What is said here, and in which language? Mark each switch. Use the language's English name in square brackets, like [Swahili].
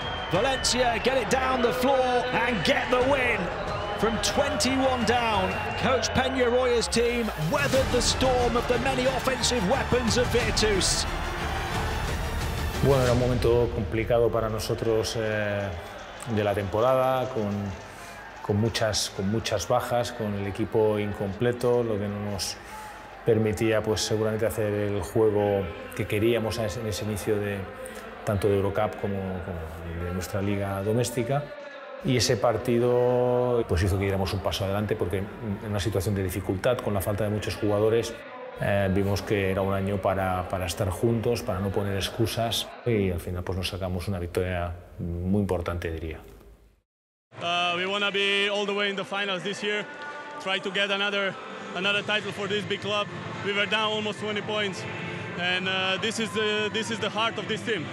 [English] Valencia get it down the floor and get the win. From 21 down, Coach Peñarroya's team weathered the storm of the many offensive weapons of Virtus. [Spanish] Bueno, era un momento complicado para nosotros de la temporada, con muchas bajas, con el equipo incompleto, lo que no nos permitía pues seguramente hacer el juego que queríamos en ese inicio de tanto de Eurocup como de nuestra liga doméstica. Y ese partido pues hizo que diéramos un paso adelante, porque en una situación de dificultad, con la falta de muchos jugadores, vimos que era un año para estar juntos, para no poner excusas, y al final pues nos sacamos una victoria muy importante, diría. [English] We wanna be all the way in the finals this year, try to get another title for this big club. We were down almost 20 points, and this is the heart of this team.